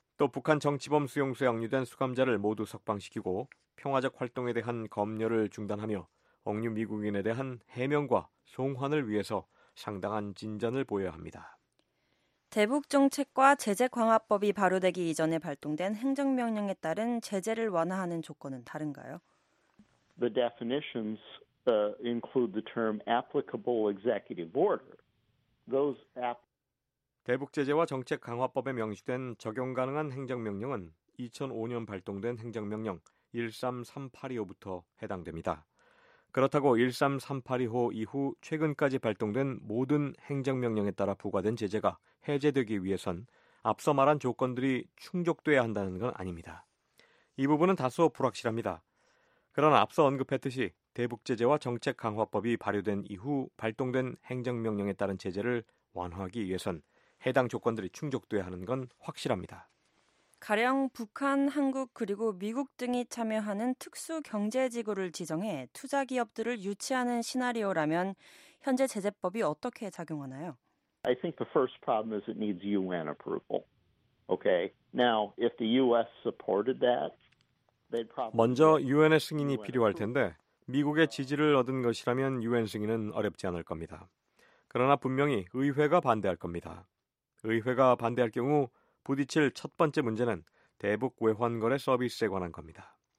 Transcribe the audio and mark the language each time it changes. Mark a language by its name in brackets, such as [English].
[Korean] 또 북한 정치범 수용소에 억류된 수감자를 모두 석방시키고 평화적 활동에 대한 검열을 중단하며 억류 미국인에 대한 해명과 송환을 위해서 상당한 진전을 보여야 합니다. 대북정책과 제재강화법이 발효되기 이전에 발동된 행정명령에 따른 제재를 완화하는 조건은 다른가요? [English] The definitions include the term applicable executive order. Those app [Korean] 대북제재와 정책강화법에 명시된 적용가능한 행정명령은 2005년 발동된 행정명령 13382호부터 해당됩니다. 그렇다고 13382호 이후 최근까지 발동된 모든 행정명령에 따라 부과된 제재가 해제되기 위해선 앞서 말한 조건들이 충족돼야 한다는 건 아닙니다. 이 부분은 다소 불확실합니다. 그러나 앞서 언급했듯이 대북제재와 정책강화법이 발효된 이후 발동된 행정명령에 따른 제재를 완화하기 위해선 해당 조건들이 충족돼야 하는 건 확실합니다. 가령 북한, 한국 그리고 미국 등이 참여하는 특수경제지구를 지정해 투자기업들을 유치하는 시나리오라면 현재 제재법이 어떻게 작용하나요? [English] I think the first problem is it needs UN approval. Okay. Now, if the US supported that, they'd probably [Korean] 먼저 UN의 승인이 필요할 텐데 미국의 지지를 얻은 것이라면 UN 승인은 어렵지 않을 겁니다. 그러나 분명히 의회가 반대할 겁니다. 의회가 반대할 경우 부딪힐 첫 번째 문제는 대북 외환 거래 서비스에 관한 겁니다.